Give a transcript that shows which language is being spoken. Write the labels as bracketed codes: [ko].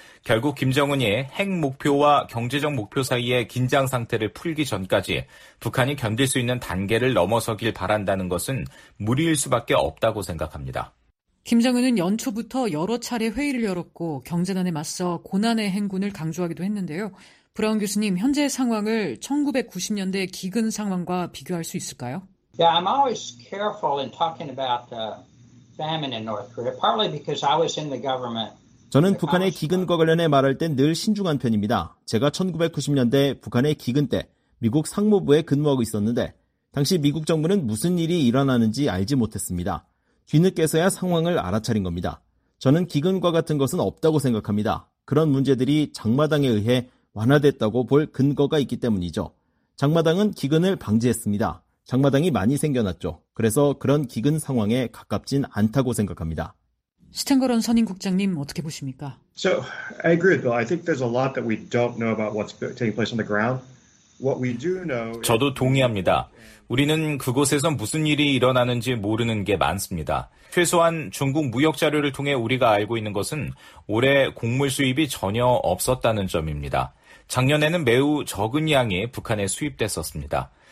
[ko] 결국 김정은이 핵 목표와 경제적 목표 사이의 긴장 상태를 풀기 전까지 북한이 견딜 수 있는 단계를 넘어서길 바란다는 것은 무리일 수밖에 없다고 생각합니다. 김정은은 연초부터 여러 차례 회의를 열었고 경제난에 맞서 고난의 행군을 강조하기도 했는데요. 브라운 교수님, 현재 상황을 1990년대 기근 상황과 비교할 수 있을까요? [en] Yeah, I'm always careful in talking about the famine in North Korea, partly because I was in the government. [ko] 저는 북한의 기근과 관련해 말할 땐 늘 신중한 편입니다. 제가 1990년대 북한의 기근 때 미국 상무부에 근무하고 있었는데 당시 미국 정부는 무슨 일이 일어나는지 알지 못했습니다. 뒤늦게서야 상황을 알아차린 겁니다. 저는 기근과 같은 것은 없다고 생각합니다. 그런 문제들이 장마당에 의해 완화됐다고 볼 근거가 있기 때문이죠. 장마당은 기근을 방지했습니다. 장마당이 많이 생겨났죠. 그래서 그런 기근 상황에 가깝진 않다고 생각합니다. 스탱거런 선임 국장님 어떻게 보십니까? [en] So, I agree with Bill. I think there's a lot that we don't know about what's taking place on the ground. What we do know. [ko] 저도 동의합니다. 우리는 그곳에서 무슨 일이 일어나는지 모르는 게 많습니다. 최소한 중국 무역 자료를 통해 우리가 알고 있는 것은 올해 곡물 수입이 전혀 없었다는 점입니다. 작년에는 매우 적은 양이 북한에 수입됐었습니다.